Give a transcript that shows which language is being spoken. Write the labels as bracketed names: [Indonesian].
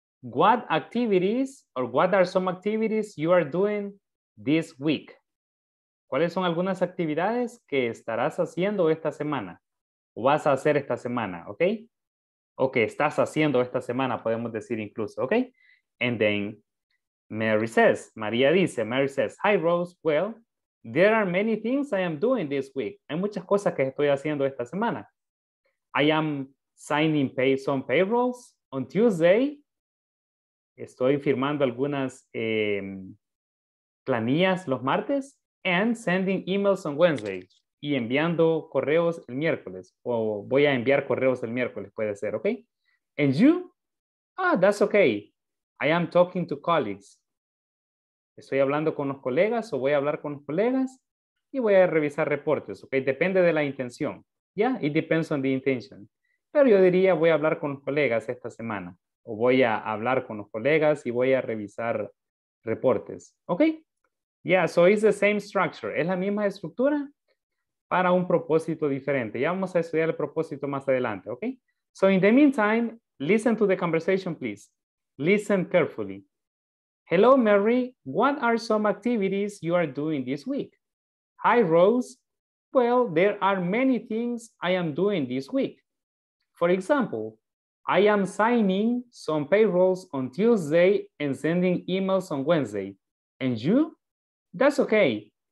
[English] What activities or what are some activities you are doing this week? [Spanish] ¿Cuáles son algunas actividades que estarás haciendo esta semana? ¿O vas a hacer esta semana, okay? O que estás haciendo esta semana, podemos decir incluso, okay? [English] And then, Mary says, [Spanish] María dice, [English] Mary says, hi Rose, well, there are many things I am doing this week. [Spanish] Hay muchas cosas que estoy haciendo esta semana. [English] I am signing some payrolls on Tuesday. [Spanish] Estoy firmando algunas planillas los martes [English] and sending emails on Wednesday [Spanish] y enviando correos el miércoles. O voy a enviar correos el miércoles, puede ser, okay? [English] And you? Ah, that's okay. I am talking to colleagues. [Spanish] Estoy hablando con los colegas o voy a hablar con los colegas y voy a revisar reportes, okay? Depende de la intención. [English] Yeah, it depends on the intention. [Spanish] Pero yo diría voy a hablar con los colegas esta semana o voy a hablar con los colegas y voy a revisar reportes, okay? [English] Yeah, so it's the same structure. [Spanish] Es la misma estructura para un propósito diferente. Ya vamos a estudiar el propósito más adelante, okay? [English] So in the meantime, listen to the conversation, please. Listen carefully. Hello, Mary. What are some activities you are doing this week? Hi, Rose. Well, there are many things I am doing this week. For example, I am signing some payrolls on Tuesday and sending emails on Wednesday. And you? That's okay.